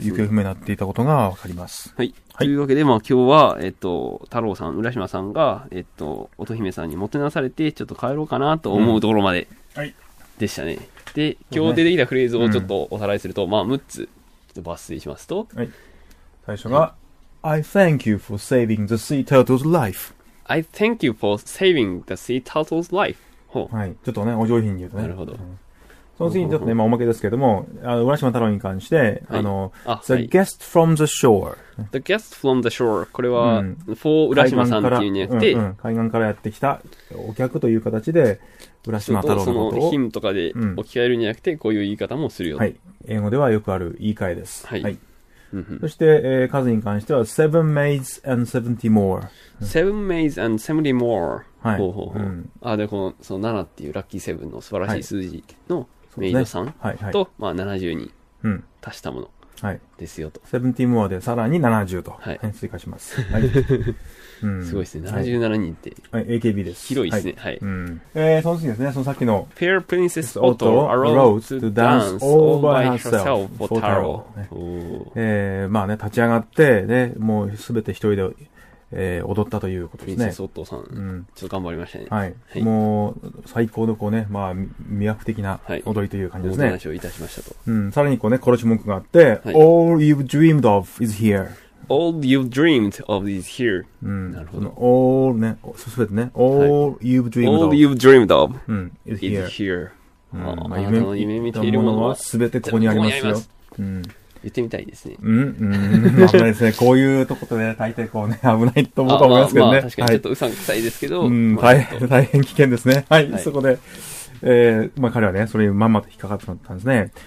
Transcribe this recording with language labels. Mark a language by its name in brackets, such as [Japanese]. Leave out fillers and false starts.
[Japanese] 行方不明になっていたことがわかります。はい。はい、というわけで、まあ今日は、太郎さん、浦島さんが、乙姫さんにもてなされて、ちょっと帰ろうかなと思うところまで、でしたね、うんはい。で、今日出てきたフレーズをちょっとおさらいすると、ねうん、まあ6つ、ちょっと抜粋しますと。はい。 [English] 最初が、はい、I thank you for saving the sea turtle's life. I thank you for saving the sea turtle's life. [Japanese] ほう。はい。ちょっとね、お上品に言うとね。なるほど。うんその次にちょっとね、まあ、おまけですけども、浦島太郎に関して、はい、 [English] The guest from the shore。 The guest from the shore。 [Japanese] これは、for 浦島さんっていうにあって、海岸からやってきたお客という形で、浦島太郎のことを。その、him とかで置き換えるんじゃなくて、こういう言い方もするよ、はい。英語ではよくある言い換えです。はい。はい、そして、数に関しては、 [English] seven maids and 70 more。 seven maids and 70 more。 [Japanese] はい。ほうほうほう。うん、あ、で、この、その7っていうラッキーセブンの素晴らしい数字の、はい、ね、メイドさんと、はいはいまあ、70に足したものですよと、うんはい、 [English] 70 more [Japanese] でさらに70と、はいはい、追加します、はいうん、すごいですね77人って、はい、AKB です広いですね、はいはいその次ですねそのさっきの [English] Fair Princess Otto arose to dance all by herself for Taro、 [Japanese] ねまあね、立ち上がって、ね、もう全て一人で踊ったということですね。プリンセス・オットーさん、うん、ちょっと頑張りましたね。はい。はい、もう、最高のこうね、まあ、魅惑的な踊りという感じですね。はい、お話をいたしましたと。うん。さらにこうね、殺し文句があって、はい、 [English] All you've dreamed of is here. All you've dreamed of is here. [Japanese] うん。なるほど。 [English] All ね、 [Japanese] すべてね、 [English] All、はい、you've dreamed of. All you've dreamed of、うん、is here. Is here.、 [Japanese] うんまあ、夢見ているものはすべてここにありますよ。言ってみたいですね。うん、危ないですね。こういうとことで、ね、大抵こうね、危ないと思うと思いますけどね。まあ、確かにちょっとうさんくさいですけど。はい、うん、大変危険ですね。はい、はい、そこで、まあ彼はね、それにまんまと引っかかってしまったんですね。